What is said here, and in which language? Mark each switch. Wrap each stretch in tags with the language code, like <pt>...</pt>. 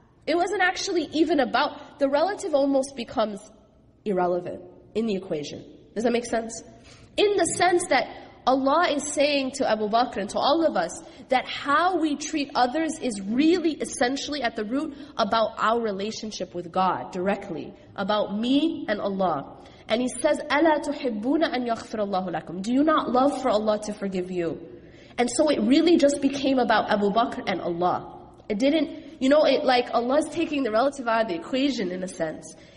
<en>It wasn't actually even about, the relative almost becomes irrelevant in the equation. Does that make sense? In the sense that Allah is saying to Abu Bakr and to all of us, that how we treat others is really essentially at the root about our relationship with God directly, about me and Allah.</en> <ar>And he says, أَلَا تُحِبُّونَ أَنْ يَغْفِرَ اللَّهُ لَكُمْ.</ar> <en>Do you not love for Allah to forgive you? And so it really just became about Abu Bakr and Allah. It didn't, you know, it like Allah's taking the relative out of the equation in a sense.</en>